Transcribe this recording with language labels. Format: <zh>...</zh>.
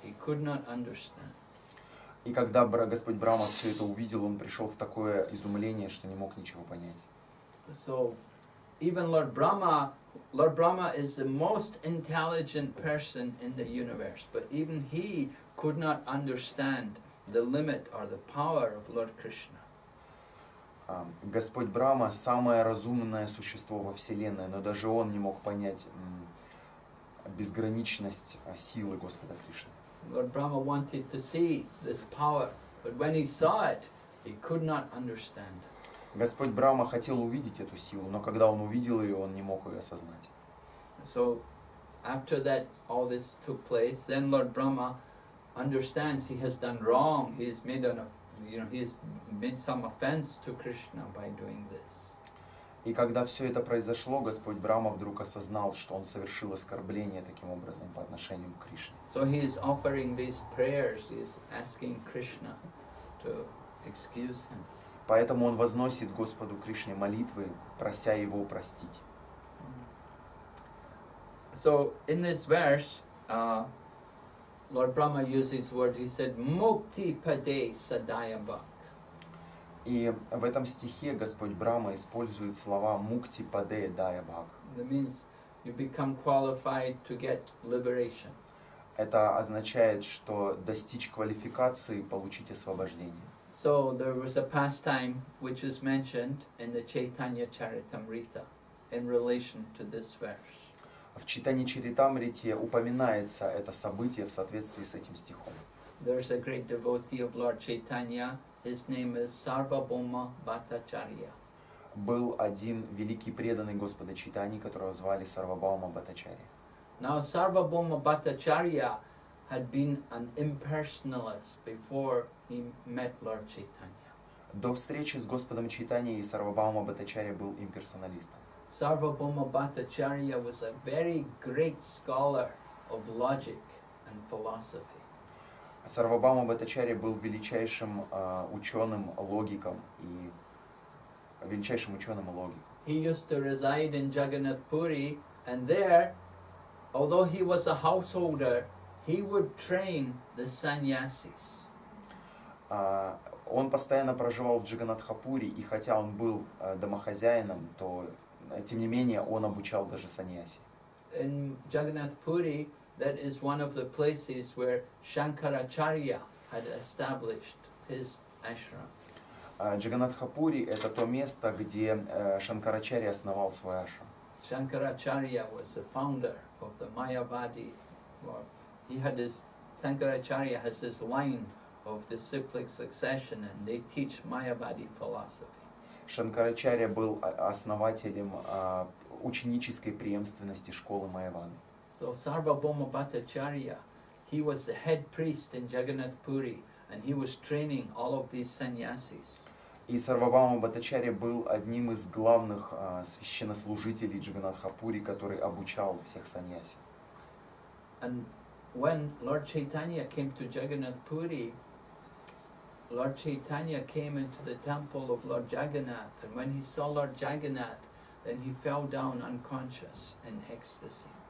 <en>He could not understand.</en> <ru>И когда Господь Брама все это увидел, он пришел в такое изумление, что не мог ничего понять.</ru> <en>So, even Lord Brahma is the most intelligent person in the universe, but even he could not understand the limit or the power of Lord Krishna.</en> <ru>Господь Брама – самое разумное существо во Вселенной, но даже он не мог понять безграничность силы Господа Кришны.</ru> <en>Lord Brahma wanted to see this power, but when he saw it, he could not understand.</en> <ru>Господь Брама хотел увидеть эту силу, но когда он увидел ее, он не мог ее осознать.</ru> <en>So, after that, all this took place. Then Lord Brahma understands he has done wrong. He has made some offense to Krishna by doing this.</en> <ru>И когда все это произошло, Господь Брама вдруг осознал, что он совершил оскорбление таким образом по отношению к Кришне.</ru> <en>So he is offering these prayers, he is asking Krishna to excuse him.</en> <ru>Поэтому он возносит Господу Кришне молитвы, прося его простить.</ru> <en>So in this verse, Lord Brahma uses word, he said,</en> <sa>Mukti Pade Sadayabha.</sa> <ru>И в этом стихе Господь Брама использует слова</ru> <sa>«мукти паде дая бхаг».</sa> <en>That means you become qualified to get liberation.</en> <ru>Это означает, что достичь квалификации, получить освобождение.</ru> <en>So there was a pastime which is mentioned in the Chaitanya Charitamrita in relation to this verse.</en> <ru>В Чайтанья Чаритамрите упоминается это событие в соответствии с этим стихом.</ru> <en>There's a great devotee of Lord Chaitanya. His name is Sarvabhauma Bhattacharya.</en> <ru>Был один великий преданный Господа Чайтаньи, которого звали Сарвабхаума Бхаттачарья.</ru> <en>Now Sarvabhauma Bhattacharya had been an impersonalist before he met Lord Chaitanya.</en> <ru>До встречи с Господом Чайтаньей Сарвабхаума Бхаттачарья был имперсоналистом.</ru> <en>Sarvabhauma Bhattacharya was a very great scholar of logic and philosophy.</en> <ru>Сарвабхаума Бхаттачарья был величайшим ученым и логиком.</ru> <en>He used to reside in Jagannath Puri, and there, although he was a householder, he would train the sannyasis.</en> <ru>Он постоянно проживал в Джаганатхапури, и хотя он был домохозяином, то тем не менее он обучал даже саньяси.</ru> <en>In Jagannath Puri, that is one of the places where Shankaracharya had established his ashram.</en> <ru>Джаганатхапури – это то место, где Шанкарачарья основал свой ашрам.</ru> <en>Shankaracharya was the founder of the Mayavadi. Shankaracharya has this line of the cyclic succession, and they teach Mayavadi philosophy.</en> <ru>Шанкарачарья был основателем ученической преемственности школы Майявады.</ru> <en>So Sarvabhauma Bhattacharya, he was the head priest in Jagannath Puri, and he was training all of these sannyasis.</en> <ru>И Сарвабхаума Бхаттачарья был одним из главных священнослужителей Джаганатхапури, который обучал всех саньяси.</ru> <en>And when Lord Chaitanya came to Jagannath Puri, Lord Chaitanya came into the temple of Lord Jagannath, and when he saw Lord Jagannath, then he fell down unconscious in ecstasy.</en>